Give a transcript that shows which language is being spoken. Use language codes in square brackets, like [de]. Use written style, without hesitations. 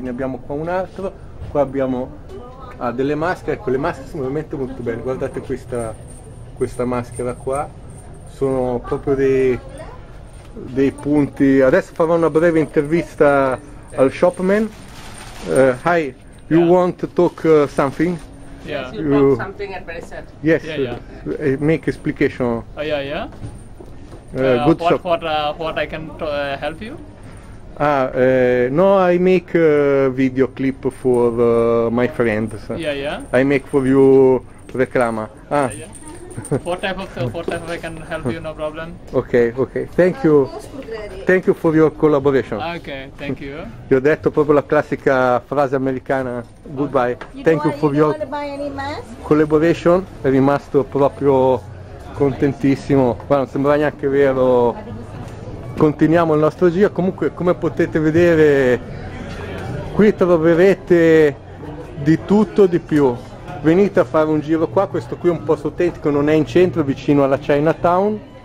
[it] Ne abbiamo qua un altro, qua abbiamo delle maschere, ecco le maschere sono veramente molto belle, guardate questa maschera qua, sono proprio dei punti. Adesso farò una breve intervista al shopman. [en] Hi, you want to talk something? Yeah. You want something at present? Yes. Yeah. Make explication. Good shop. What I can help you? No, I make a video clip for my friends. Yeah. I make for you reclama. What type of I can help you? No problem. Okay. Thank you for your collaboration. Okay, thank you. [it] Io ho detto proprio la classica frase americana. [en] Goodbye. Okay. Thank you for your collaboration. [it] È rimasto proprio contentissimo. Guarda, non sembra neanche vero. Continuiamo il nostro giro. Comunque, come potete vedere, qui troverete di tutto, di più. Venite a fare un giro qua, questo qui è un posto autentico, non è in centro, è vicino alla Chinatown.